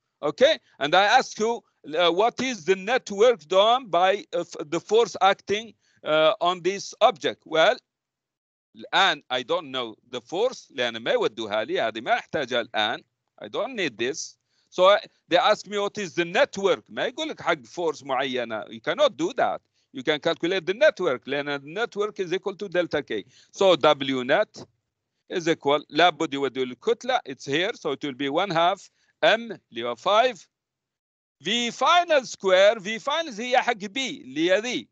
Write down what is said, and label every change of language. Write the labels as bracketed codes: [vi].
[en] Okay, and I ask you what is the net work done by the force acting on this object? [ar] Well, الآن [en] I don't know the force [ar] لأن ما يودوها لي، هذه ما أحتاجها الآن. [en] I don't need this. So they ask me what is the network. [ar] ما يقول لك حق force معينة. [en] You cannot do that. You can calculate the network. لأن the network is equal to delta K. So W net is equal. [ar] لابد يودي الكتلة. [en] It's here. So it will be 1/2 M [ar] اللي هو [en] 5. V final square. V final هي حق B اللي هي.